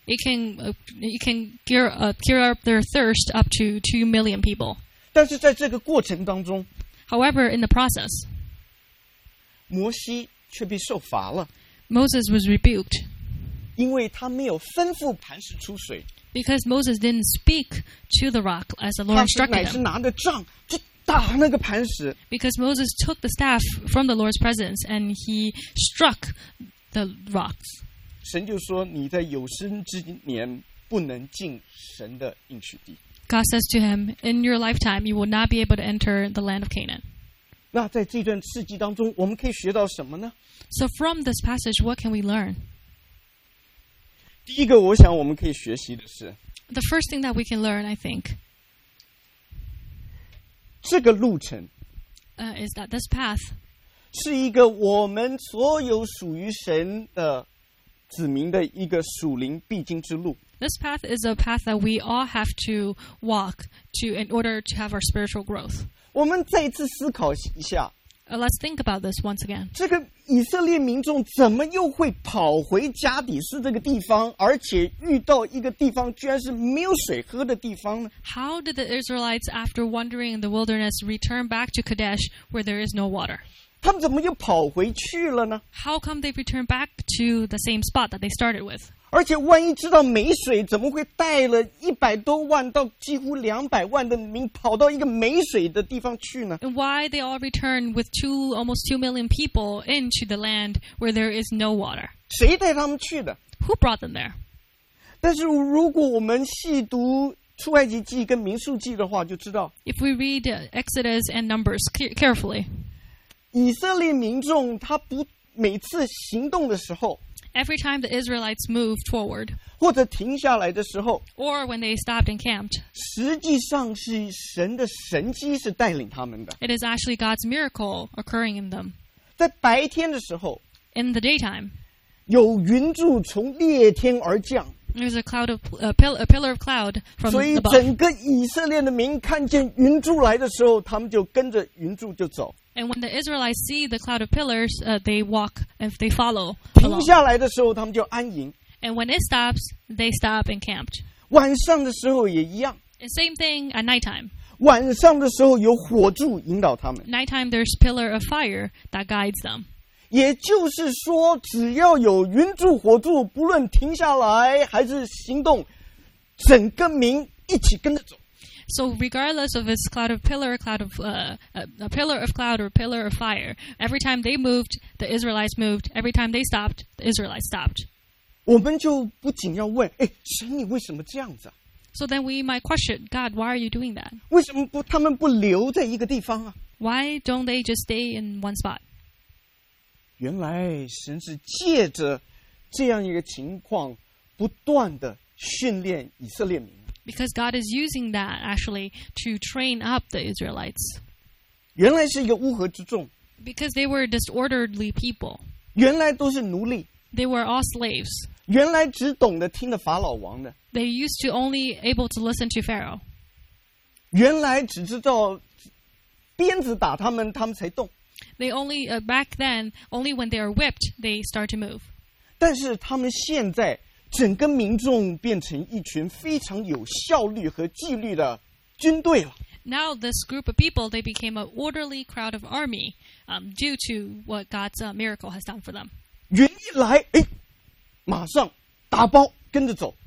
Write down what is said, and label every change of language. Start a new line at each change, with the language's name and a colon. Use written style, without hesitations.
English: It can cure up their thirst up to 2 million people.
Chinese: 但是在这个过程当中
English: However, in the process,
Chinese: 摩西却被受罚了
English: Moses was rebuked.
Chinese: 因为他没有吩咐磐石出水
English: Because Moses didn't speak to the rock as the Lord instructed him.
Chinese: 他是乃是拿着杖就打那个磐石
English: Because Moses took the staff from the Lord's presence and he struck the rocks.
Chinese: 神就说你在有生之年不能进神的应许地。
English: God says to him, In your lifetime, you will not be able to enter the land of Canaan.
Chinese: 那在这段事迹当中，我们可以学到什么呢？
English: So from this passage, what can we learn?
Chinese: 第一个我想我们可以学习的是
English: The first thing that we can learn, I think,
Chinese: 这个路程
English: is that this path
Chinese: 是一个我们所有属于神的子民的一个属灵必经之路。
English: This path is a path that we all have to walk to in order to have our spiritual growth.
Chinese: 我们再一次思考一下。
English: Let's think about this once again.
Chinese: 这个以色列民众怎么又会跑回加底斯这个地方，而且遇到一个地方居然是没有水喝的地方呢
English: ？How did the Israelites, after wandering in the wilderness, return back to Kadesh where there is no water?
Chinese: 他们怎么又跑回去了呢
English: ？How come they return back to the same spot that they started with?
Chinese: 而且万一知道没水，怎么会带了100多万到几乎200万的民跑到一个没水的地方去呢？
English: And why they all return with almost two million people into the land where there is no water?
Chinese: 谁带他们去的？
English: Who brought them there?
Chinese: 但是如果我们细读出埃及记跟民数记的话，就知道。
English: If we read Exodus and Numbers carefully,
Chinese: 以色列民众他不每次行动的时候。
English: Every time the Israelites moved forward,
Chinese: 或者停下来的时候,
English: or when they stopped and camped,
Chinese: 实际上是神的神迹是带领他们的。
English: It is actually God's miracle occurring in them.
Chinese: 在白天的时候,
English: in the daytime,
Chinese: 有云柱从烈天而降。
English: There's a pillar of cloud from above.
Chinese: 所以整个以色列的民看见云柱来的时候，他们就跟着云柱就走。
English: And when the Israelites see the cloud of pillars, they walk and they follow.
Chinese: 停下来的时候，他们就安营。
English: And when it stops, they stop and camped.
Chinese: 晚上的时候也一样。
English: And same thing at nighttime.
Chinese: 晚上的时候有火柱引导他们。
English: Nighttime, there's pillar of fire that guides them.
Chinese: 也就是说，只要有云柱火柱，不论停下来还是行动，整个民一起跟着走。
English: So regardless of its cloud of pillar, cloud of a pillar of cloud or pillar of fire, every time they moved, the Israelites moved. Every time they stopped, the Israelites stopped.
Chinese: 我们就不仅要问，哎，神，你为什么这样子啊？
English: So then we might question, God, why are you doing that?
Chinese: 为什么不他们不留在一个地方啊
English: ？Why don't they just stay in one spot?
Chinese: 原来神是借着这样一个情况不断地训练以色列民。
English: Because God is using that actually to train up the Israelites.
Chinese: 原来是一个乌合之众。
English: Because they were disorderly people.
Chinese: 原来都是奴隶。
English: They were all slaves.
Chinese: 原来只懂得听的法老王的。
English: They used to only able to listen to Pharaoh.
Chinese: 原来只知道鞭子打他们，他们才动。
English: They only, back then, only when they are whipped, they start to move.
Chinese: 但是他们现在整个民众变成一群非常有效率和纪律的军队了。
English: Now this group of people, they became an orderly crowd of army, due to what God's miracle has done for them.
Chinese: 云一来，哎，马上打包跟着走。